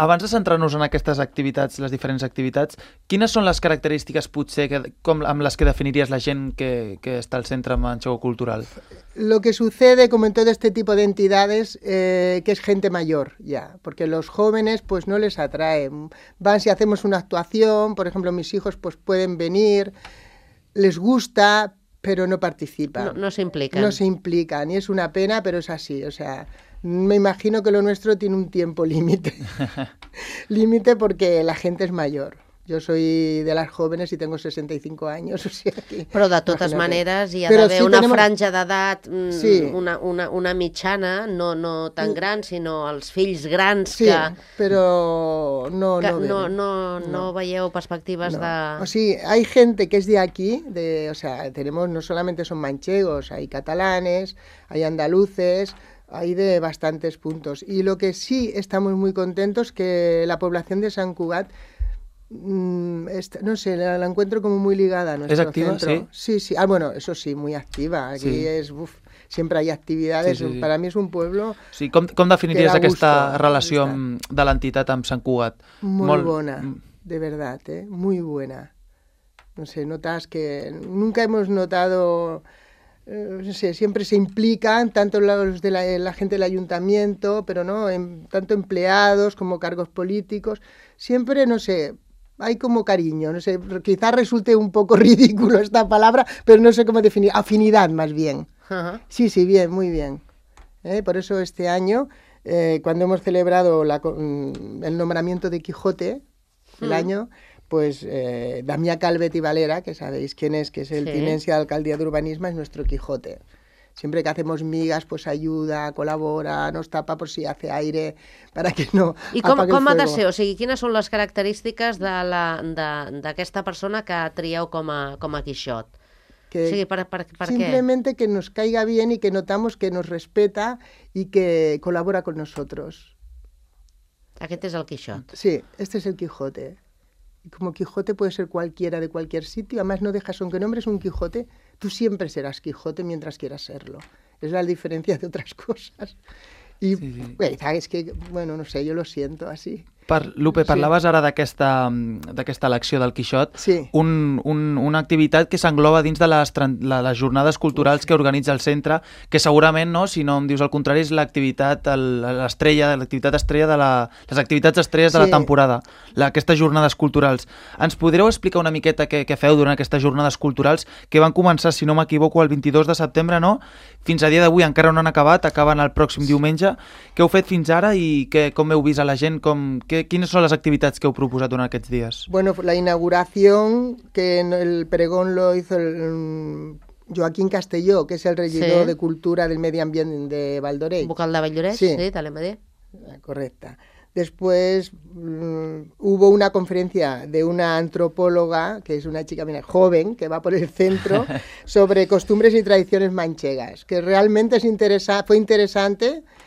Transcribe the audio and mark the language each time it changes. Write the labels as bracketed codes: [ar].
[ca] Abans de centrar-nos en aquestes activitats, les diferents activitats, quines són les característiques, potser, amb les que definiries la gent que està al Centre Manchego Cultural? [es] Lo que sucede, como en todo este tipo de entidades, que es gente mayor ya, porque los jóvenes pues no les atraen. Van, si hacemos una actuación, por ejemplo, mis hijos pues pueden venir, les gusta, pero no participan. No, no se implican. No se implican, y es una pena, pero es así. O sea, me imagino que lo nuestro tiene un tiempo límite. Límite porque la gente es mayor. Yo soy de las jóvenes y tengo 65 años, o sea que... [ca] Però de totes maneres hi ha d'haver sí, una [es] tenemos... [ca] franja d'edat, sí. una mitjana, no tan gran, sinó els fills grans sí, que... Sí, però no, que no, no veieu perspectives no. De... O sigui, [es] hay gente que es de aquí, o sea, tenemos, no solamente son manchegos, hay catalanes, hay andaluces, Hay de bastantes puntos. Y lo que sí estamos muy contentos que la población de San Cugat, no sé, la encuentro como muy ligada a nuestro centro. ¿Es activa, sí? Sí, sí. Ah, bueno, eso sí, muy activa. Aquí sí. Es... Uf, siempre hay actividades. Sí, sí, sí. Para mí es un pueblo... [ca] Sí, ¿com definiries que aquesta relació de l'entitat amb Sant Cugat? Molt bona, [es] de verdad, ¿eh? Muy buena. No sé, notas que nunca hemos notado... no sé, siempre se implican tanto los de la gente del ayuntamiento, pero no, tanto empleados como cargos políticos. Siempre, no sé, hay como cariño, no sé, quizás resulte un poco ridículo esta palabra, pero no sé cómo definir, afinidad más bien. Ajá. Sí, sí, bien, muy bien. Por eso este año, cuando hemos celebrado el nombramiento de Quijote, el año... Pues Damià Calvet i Valera, que sabéis quién es, que es el tinencia de Alcaldía de Urbanismo, es nuestro Quijote. Siempre que hacemos migas, pues ayuda, colabora, nos tapa por si hace aire, para que no apague el fuego. [ca] I com ha de ser? O sigui, quines són les característiques d'aquesta persona que trieu com a Quixot? [es] Que [ca] o sigui, per [es] simplemente què? Que nos caiga bien y que notamos que nos respeta y que colabora con nosotros. [ca] Aquest és el Quixot? [es] Sí, este es el Quijote. Como Quijote puede ser cualquiera de cualquier sitio, además no dejas, aunque nombres un Quijote, tú siempre serás Quijote mientras quieras serlo. Es la diferencia de otras cosas. Y sí, sí. Es que, bueno, no sé, yo lo siento así. [ca] Lupe, parlaves ara d'aquesta elecció del Quixot. Sí. Una activitat que s'engloba dins de les jornades culturals que organitza el centre, que segurament, no, si no em dius el contrari, és l'activitat estrella de la temporada, aquestes jornades culturals. Ens podreu explicar una miqueta què feu durant aquestes jornades culturals, que van començar, si no m'equivoco, el 22 de setembre, no? Fins a dia d'avui encara no han acabat, acaben el pròxim diumenge. Què heu fet fins ara i com heu vist a la gent, quines són les activitats que heu proposat durant aquests dies? [es] Bueno, la inauguración, que el pregón lo hizo el Joaquín Castelló, que es el regidor de Cultura del Medi Ambient de Valldoreix. [ca] Vocal de Valldoreix, sí, de l'EMD. Correcte. [es] Después hubo una conferencia de una antropóloga, que es una chica bien joven, que va por el centro, sobre costumbres y tradiciones manchegas, que realmente fue interesante.